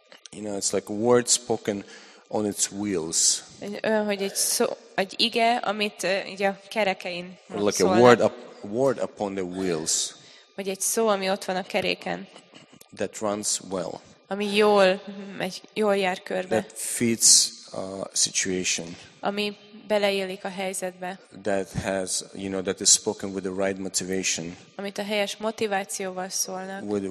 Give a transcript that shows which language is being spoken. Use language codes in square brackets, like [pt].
[en] You know, it's like a word spoken on its wheels. [hu] Olyan, hogy egy szó, egy ige, amit így a kerekein szólnak. [en] Like a word upon the wheels. [hu] Vagy egy szó, ami ott van a keréken. [en] That runs well. [hu] Ami jól megy, jól jár körbe. [en] That fits a situation. [hu] Ami beleillik a helyzetbe. [en] That has, you know, that is spoken with the right motivation. [hu] Amit a helyes motivációval szólnak.